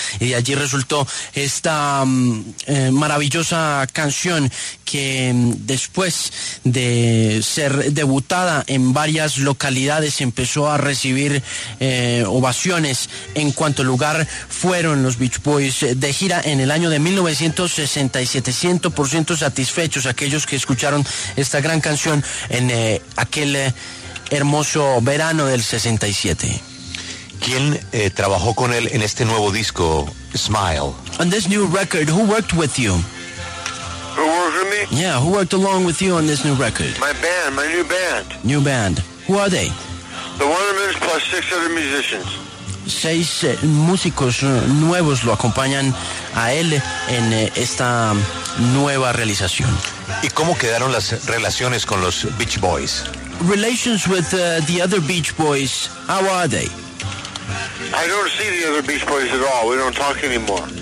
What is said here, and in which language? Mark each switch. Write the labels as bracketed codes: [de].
[es] Y de allí resultó esta maravillosa canción que después de ser debutada en varias localidades empezó a recibir ovaciones en cuanto lugar fueron los Beach Boys de gira en el año de 1967. 100% satisfechos aquellos que escucharon esta gran canción en aquel hermoso verano del 67. ¿Quién trabajó con él en este nuevo disco, Smile? [en] On this new record, who worked with you? Who worked with me? Yeah, who worked along with you on this new record? My band, my new band. New band. Who are they? The Wondermans plus 600 musicians. [es] Seis músicos nuevos lo acompañan a él en esta nueva realización. ¿Y cómo quedaron las relaciones con los Beach Boys? [en] Relations with the other Beach Boys, how are they? I don't see the other Beach Boys at all. We don't talk anymore.